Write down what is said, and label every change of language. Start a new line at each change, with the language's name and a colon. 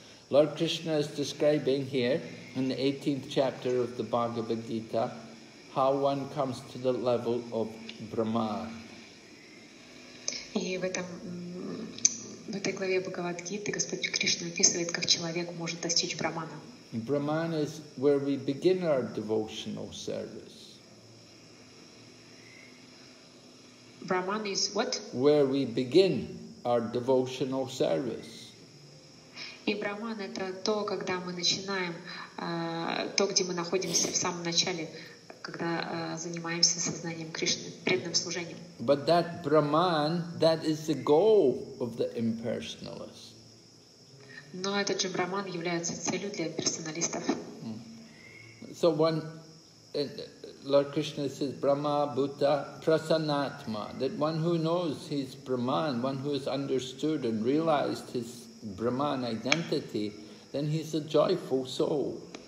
English: Lord Krishna is describing here in the 18th chapter of the Bhagavad Gita how one comes to the level of Brahma.
Russian: И в этой главе Бхагавад-гиты Господь Кришна описывает, как человек может достичь Брахмана.
English: Brahman is where we begin our devotional service. Brahman is what? Where we begin our devotional service.
Russian: И Брахман — это то, когда мы начинаем, то, где мы находимся в самом начале, когда занимаемся сознанием Кришны, преданным служением.
English: But that Brahman, that is the goal of the impersonalist.
Russian: Но этот же Брахман является целью для персоналистов.
English: So one, Lord Krishna says, Brahma, Buddha, Prasanatma, that one who knows his Brahman, one who has understood and realized his Brahman identity, then he's a joyful soul.